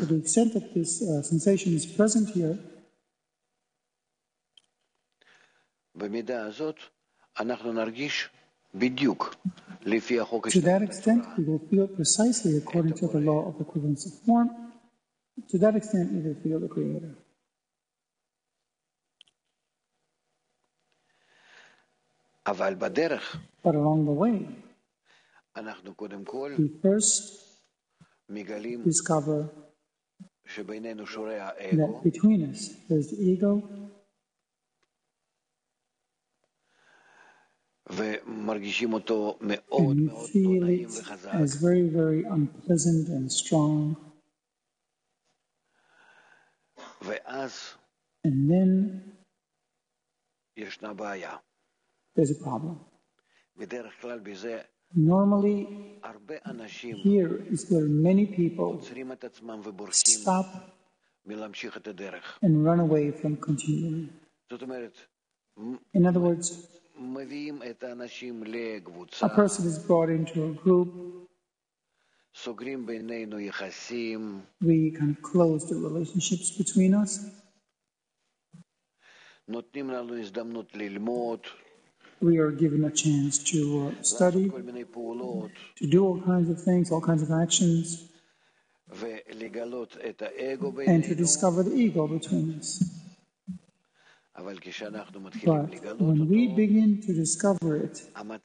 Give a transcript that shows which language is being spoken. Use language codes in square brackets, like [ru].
[en] So to the extent that this sensation is present here. [he] במידה הזאת, אנחנו נרגיש בדיוק. [en] To that extent, we will feel precisely according to the law of equivalence of form. To that extent, we will feel the Creator. [he] אבל בדרך, [en] but along the way, [he] אנחנו קודם כל, [en] we first [he] מגלים, [en] discover [he] שבינינו שורי האגו, [en] that between us there is the ego. [he] ומרגישים אותו מאוד מאוד נעים וחזק. [en] As very, very unpleasant and strong. [he] ואז [en] and then [he] ישנה בעיה. [en] There's a problem. [he] בדרך כלל בזה [en] normally [he] הרבה אנשים [en] here is where many people [he] עוצרים את עצמם ובורחים [en] stop [he] מלהמשיך את הדרך. [en] And run away from continuing. [he] זאת אומרת [en] in other words [he] מביאים את האנשים לקבוצה. [en] A person is brought into a group. [he] סוגרים בינינו יחסים. [en] We kind of close the relationships between us. [he] נותנים לנו הזדמנות ללמוד. [en] We are given a chance to study. [he] כל מיני פעולות. [en] To do all kinds of things, all kinds of actions. [he] ולגלות את האגו בינינו. [en] And to discover the ego between us. [he] אבל כשאנחנו מתחילים לגלות אותו, [en] we begin to discover it,